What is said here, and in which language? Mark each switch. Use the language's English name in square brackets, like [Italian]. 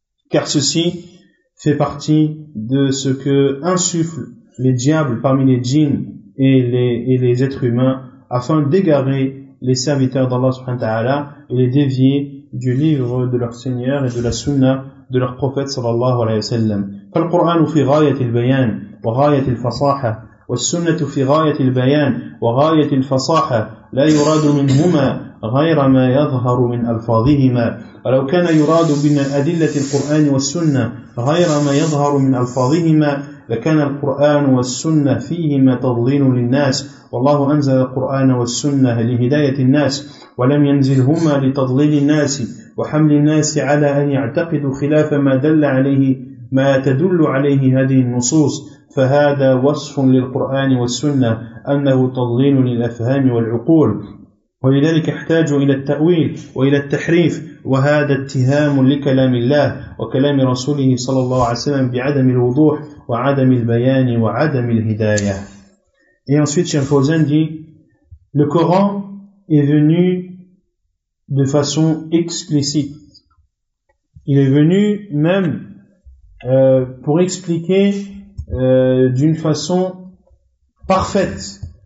[French] car ceci fait partie de ce que insufflent les diables parmi les djinns et les êtres humains, afin d'égarer les serviteurs d'Allah subhanahu wa ta'ala et les dévier du livre de leur Seigneur et de la sunna de leur prophète sallallahu alayhi wa sallam. [Arabic] Fal Qur'an fi ghayat al bayan wa ghayat al fasaha wa as-sunnah fi ghayat al bayan wa ghayat al fasaha la yurad minhumā غير ما يظهر من ألفاظهما ولو كان يراد من أدلة القرآن والسنة غير ما يظهر من ألفاظهما لكان القرآن والسنة فيهما تضليل للناس والله أنزل القرآن والسنة لهداية الناس ولم ينزلهما لتضليل الناس وحمل الناس على أن يعتقدوا خلاف ما تدل عليه هذه النصوص فهذا وصف للقرآن والسنة أنه تضليل للأفهام والعقول ولذلك احتاج إلى التأويل وإلى التحريف وهذا اتهام لكلام الله وكلام رسوله صلى الله عليه وسلم بعدم الوضوح وعدم البيان وعدم الهداية. [French] Et ensuite Cheikh Fawzan dit, le Coran est venu de façon explicite. Il est venu même pour expliquer d'une façon parfaite.